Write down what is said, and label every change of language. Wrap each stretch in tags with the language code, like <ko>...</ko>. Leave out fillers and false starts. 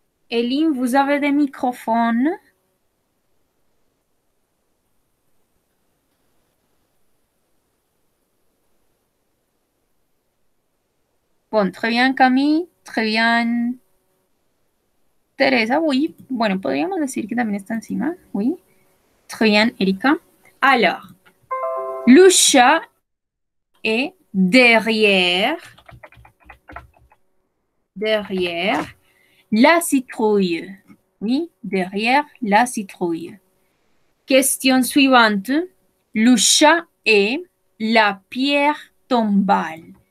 <fr>Eileen, vous avez des microphones? Bon, très bien Camille, très bien Teresa, oui.</fr> <es>Bueno, podríamos decir que también está encima, oui.</es> <fr>Très bien Erika. Alors, le chat est derrière, derrière la citrouille. Oui, derrière la citrouille. Question suivante, le chat est la pierre tombale.</fr>